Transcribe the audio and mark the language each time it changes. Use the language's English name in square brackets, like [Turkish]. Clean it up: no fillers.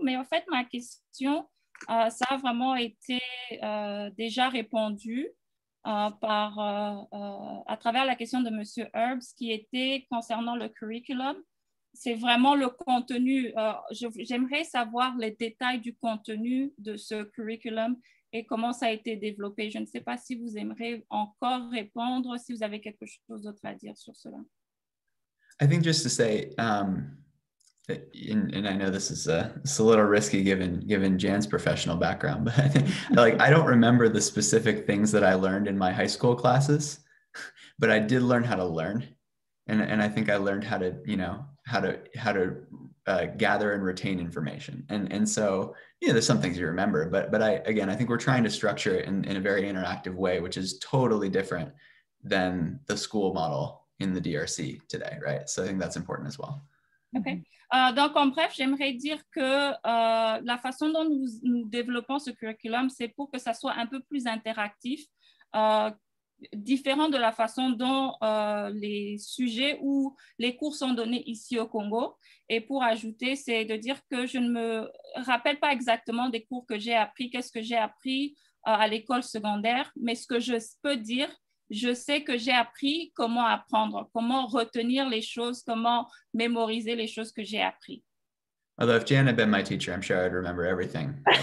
[French] Mais en fait, ma question, ça a vraiment été déjà répondu à travers la question de Monsieur Herbs, qui était concernant le curriculum. C'est vraiment le contenu. J'aimerais savoir les détails du contenu de ce curriculum et comment ça a été développé. Je ne sais pas si vous aimeriez encore répondre, si vous avez quelque chose d'autre à dire sur cela. [English] I think just to say, and I know this is it's a little risky given Jan's professional background, but I don't remember the specific things that I learned in my high school classes, but I did learn how to learn. And I think I learned how to gather and retain information. And so, yeah, there's some things you remember, but I think we're trying to structure it in a very interactive way, which is totally different than the school model in the DRC today, right? So I think that's important as well. Okay. [French] Donc en bref, j'aimerais dire que la façon dont nous développons ce curriculum, c'est pour que ça soit un peu plus interactif, différent de la façon dont les sujets ou les cours sont donnés ici au Congo. Et pour ajouter, c'est de dire que je ne me rappelle pas exactement des cours que j'ai appris, qu'est-ce que j'ai appris à l'école secondaire, mais ce que je peux dire, je sais que j'ai appris comment apprendre, comment retenir les choses, comment mémoriser les choses que j'ai appris. [English] Although if Jan had been my teacher, I'm sure I'd remember everything.